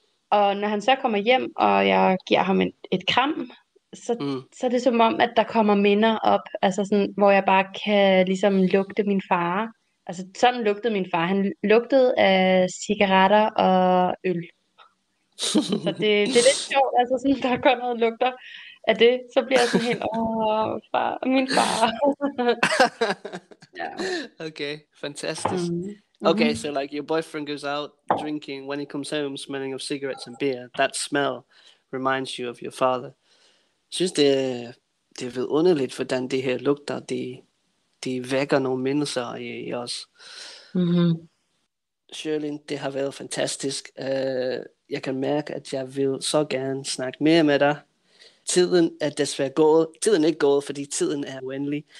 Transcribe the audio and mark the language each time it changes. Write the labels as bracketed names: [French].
[Danish] Og når han så kommer hjem, og jeg giver ham et kram, så er det som om, at der kommer minder op, altså sådan, hvor jeg bare kan ligesom lugte min far. Altså sådan lugtede min far. Han lugtede af cigaretter og øl. Så det er lidt sjovt, altså sådan, der går noget lugter af det. Så bliver jeg sådan helt, far, min far. Ja. Okay, fantastisk. [English] Okay, so like your boyfriend goes out drinking, when he comes home smelling of cigarettes and beer, that smell reminds you of your father. [Danish] Synes det er vidunderligt, hvordan det her lugter, de vækker nogle mindelser i os. Cherlyn, det har været fantastisk. Jeg kan mærke, at jeg vil så gerne snakke mere med dig. Tiden er desværre gået. Tiden er ikke gået, fordi tiden er uendelig.